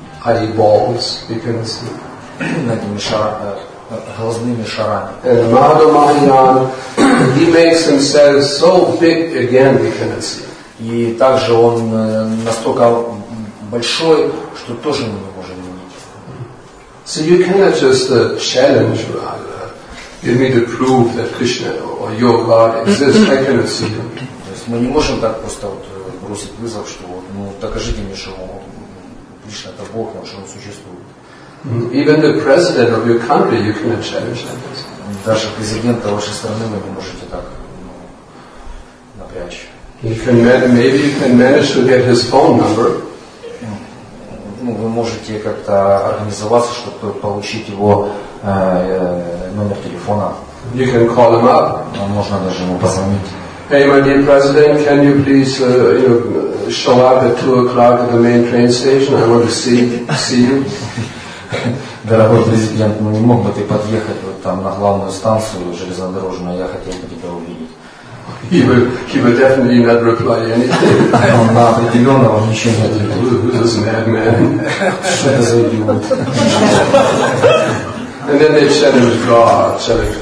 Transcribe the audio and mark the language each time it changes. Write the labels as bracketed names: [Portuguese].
[English] Eyeballs we cannot see. [Russian] Этими глазными шарами. [English] And Mahatma Mahayan, he makes himself so big again we cannot see. [Russian] И также он настолько большой, что тоже мы не можем видеть. [English] So you cannot just challenge give me the proof that Krishna or your God exists. I cannot see him. [Russian] То есть мы не можем так просто вот бросить вызов, что вот, ну докажите мне, что Кришна это Бог, потому что он существует. [English] Even the president of your country you cannot challenge that. [Russian] Даже президента вашей страны вы не можете так напрячь. [English] You can maybe you can manage to get his phone number. [Russian] ну, вы можете как-то организоваться, чтобы получить его номер телефона. [English] You can call him up. [Russian] Можно даже ему позвонить. [English] Hey, my dear president, can you please you know, show up at 2 o'clock at the main train station? I want to see you. [Russian] Дорогой президент, ну не мог бы ты подъехать вот там на главную станцию железнодорожную? Я хотел бы тебя увидеть. [English] He will definitely not reply anything. [Russian] На определенно он ничего не ответит. [English] Who's this madman? [Russian] Что это за идиот? [English] And then they said it was God, said it was